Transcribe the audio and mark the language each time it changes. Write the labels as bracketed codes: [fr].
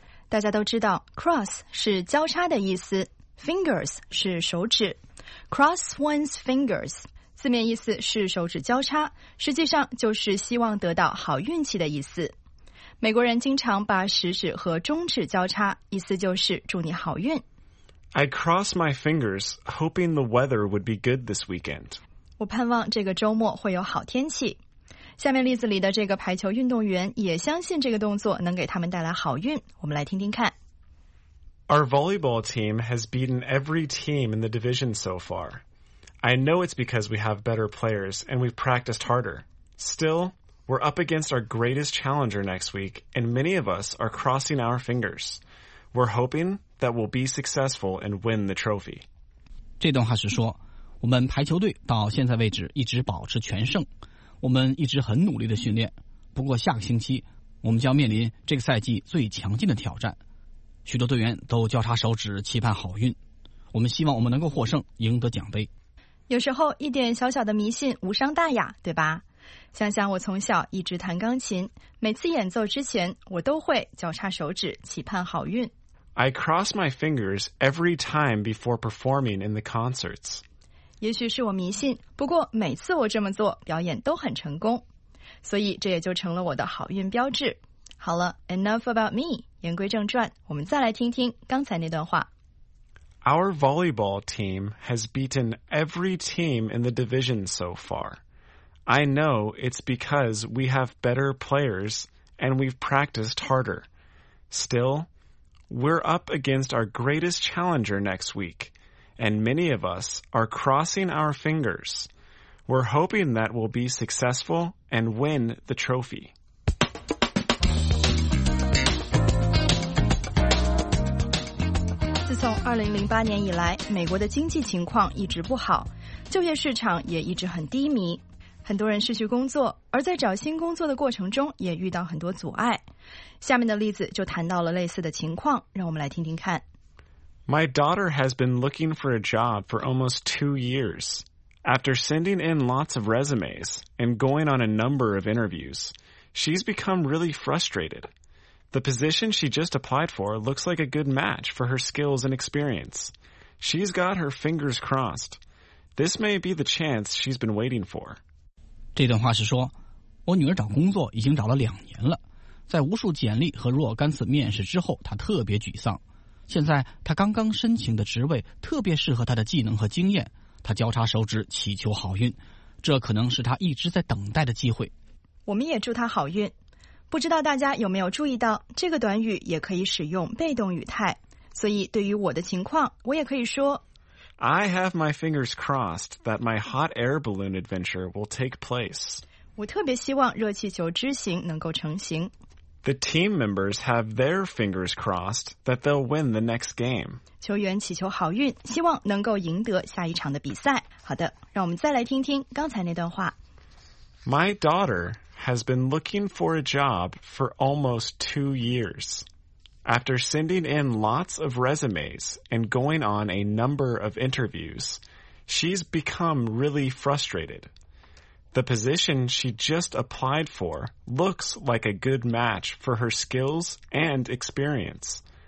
[zh] 大家都知道 cross 是交叉的意思， fingers 是手指。 [en] Cross one's fingers [zh] 字面意思是手指交叉，实际上就是希望得到好运气的意思。美国人经常把食指和中指交叉，意思就是祝你好运。 [en] I cross my fingers, hoping the weather would be good this weekend. [zh] 我盼望这个周末会有好天气。下面例子里的这个排球运动员也相信这个动作能给他们带来好运。我们来听听看。 [en] Our volleyball team has beaten every team in the division so far. I know it's because we have better players and we've practiced harder. Still... We're up against our greatest challenger next week, and many of us are crossing our fingers. We're hoping that we'll be successful and win the trophy. [zh] 这段话是说，我们排球队到现在为止一直保持全胜，我们一直很努力的训练。不过下个星期，我们将面临这个赛季最强劲的挑战。许多队员都交叉手指期盼好运，我们希望我们能够获胜，赢得奖杯。有时候一点小小的迷信无伤大雅，对吧？想想我从小一直弹钢琴，每次演奏之前我都会交叉手指期盼好运。 [en] I cross my fingers every time before performing in the concerts. [zh] 也许是我迷信，不过每次我这么做表演都很成功，所以这也就成了我的好运标志。好了， [en] enough about me, [zh] 言归正传，我们再来听听刚才那段话。 [en] Our volleyball team has beaten every team in the division so far. I know it's because we have better players and we've practiced harder. Still, we're up against our greatest challenger next week, and many of us are crossing our fingers. We're hoping that we'll be successful and win the trophy. [zh] 从2008年以来，美国的经济情况一直不好，就业市场也一直很低迷，很多人失去工作，而在找新工作的过程中也遇到很多阻碍。下面的例子就谈到了类似的情况，让我们来听听看。 [en] My daughter has been looking for a job for almost 2 years. After sending in lots of resumes and going on a number of interviews, she's become really frustrated. The position she just applied for looks like a good match for her skills and experience. She's got her fingers crossed. This may be the chance she's been waiting for. [zh] 这段话是说，我女儿找工作已经找了2年了，在无数简历和若干次面试之后，她特别沮丧。现在她刚刚申请的职位特别适合她的技能和经验，她交叉手指祈求好运，这可能是她一直在等待的机会。我们也祝她好运。不知道大家有没有注意到，这个短语也可以使用被动语态，所以对于我的情况，我也可以说 [en] I have my fingers crossed that my hot air balloon adventure will take place. [zh] 我特别希望热气球之行能够成行。 [en] The team members have their fingers crossed that they'll win the next game. [zh] 球员祈求好运，希望能够赢得下一场的比赛。好的，让我们再来听听刚才那段话。 [en] My daughterhas been looking for a job for almost 2 years. After sending in lots of resumes and going on a number of interviews, she's become really frustrated. The position she just applied for looks like a good match for her skills and experience.